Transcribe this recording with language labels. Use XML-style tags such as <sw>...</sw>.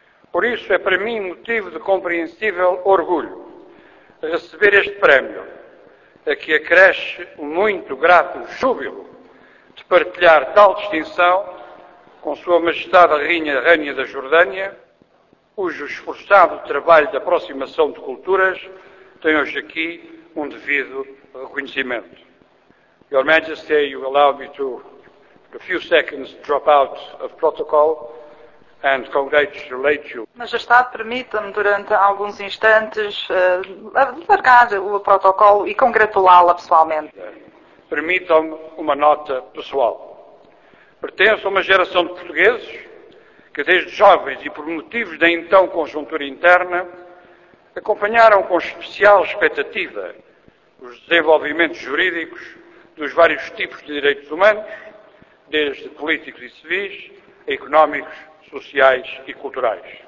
<pt>Por isso é para mim motivo de compreensível orgulho receber este prémio, a que acresce um muito grato júbilo de partilhar tal distinção com Sua Majestade a Rainha, Rainha da Jordânia, cujo esforçado trabalho de aproximação de culturas tem hoje aqui um devido reconhecimento.</pt> <en>Your Majesty, you allow me to a few seconds drop out of protocol and congratulate you.</en> <pt>Majestade, permita-me durante alguns instantes largar o protocolo e congratulá-la pessoalmente. permitam-me uma nota pessoal. Pertenço a uma geração de portugueses que, desde jovens e por motivos da então conjuntura interna, acompanharam com especial expectativa os desenvolvimentos jurídicos dos vários tipos de direitos humanos, desde políticos e civis, a económicos, sociais e culturais.</pt>